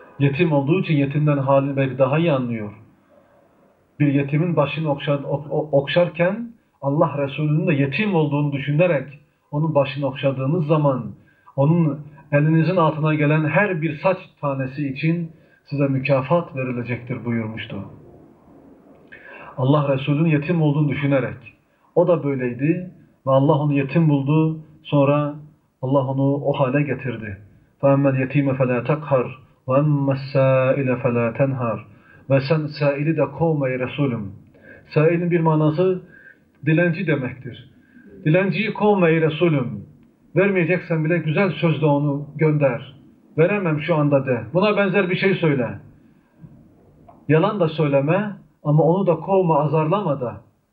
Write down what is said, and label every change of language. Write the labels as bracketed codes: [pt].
[tr] Yetim olduğu için yetimden halini belki daha iyi anlıyor. Bir yetimin başını okşarken Allah Resulü'nün de yetim olduğunu düşünerek onun başını okşadığınız zaman onun elinizin altına gelen her bir saç tanesi için size mükafat verilecektir buyurmuştu. Allah Resulü'nün yetim olduğunu düşünerek, O da böyleydi ve Allah onu yetim buldu. Sonra Allah onu o hale getirdi. [ar] فَاَمَّا الْيَت۪يمَ فَلَا تَقْهَرْ وَاَمَّا السَّائِلَ فَلَا تَنْهَرْ [tr] Ve sen saili de kovma ey Resulüm. Sailin bir manası dilenci demektir. Dilenciyi kovma ey Resulüm. Vermeyeceksen bile güzel sözle onu gönder. Veremem şu anda de. Buna benzer bir şey söyle. Yalan da söyleme ama onu da kovma, azarlama da.